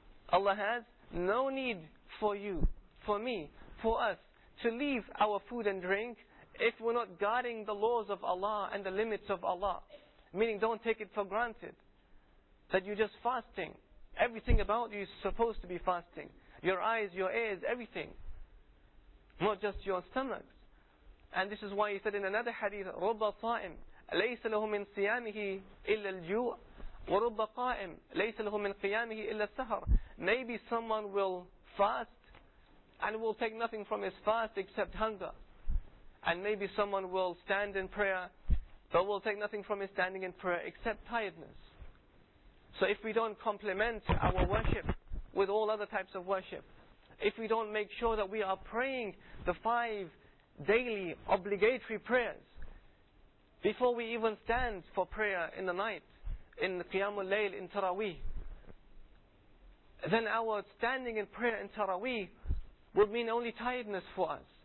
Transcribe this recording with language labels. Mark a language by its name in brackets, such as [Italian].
[English] Allah has no need for you, for me, for us, to leave our food and drink if we're not guarding the laws of Allah and the limits of Allah. Meaning, don't take it for granted that you're just fasting. Everything about you is supposed to be fasting. Your eyes, your ears, everything. Not just your stomachs. And this is why he said in another hadith, [Arabic] رُبَّ صَائِمٍ لَيْسَ لَهُ مِنْ صِيَامِهِ إِلَّا الْجُوءِ وَرُبَّ قَائِمٍ لَيْسَ لَهُ مِنْ قِيَامِهِ إِلَّا السَّهَرِ. [English] Maybe someone will fast and will take nothing from his fast except hunger. And maybe someone will stand in prayer but will take nothing from his standing in prayer except tiredness. So if we don't complement our worship with all other types of worship, if we don't make sure that we are praying the five daily obligatory prayers, before we even stand for prayer in the night, in the Qiyamul Layl, in Taraweeh, then our standing in prayer in Taraweeh would mean only tiredness for us.